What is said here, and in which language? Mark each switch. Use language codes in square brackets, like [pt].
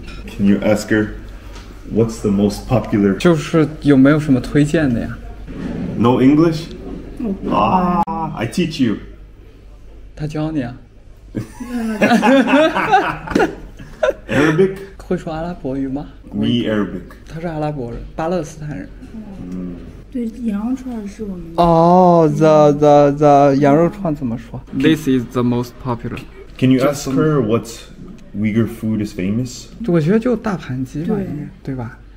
[en] Can you ask her what's the most popular? [zh] 就是有没有什么推荐的呀？ [en] No English? I teach you. [zh] 他教你啊？ [en] Arabic? [zh] 会说阿拉伯语吗？ [en] Me Arabic. [zh] 他是阿拉伯人，巴勒斯坦人。对，羊肉串是我们的。哦、the 羊肉串怎么说？ [en] This is the most popular. Can you ask her what Uyghur food is famous? [zh] 我觉得就大盘鸡吧，对吧？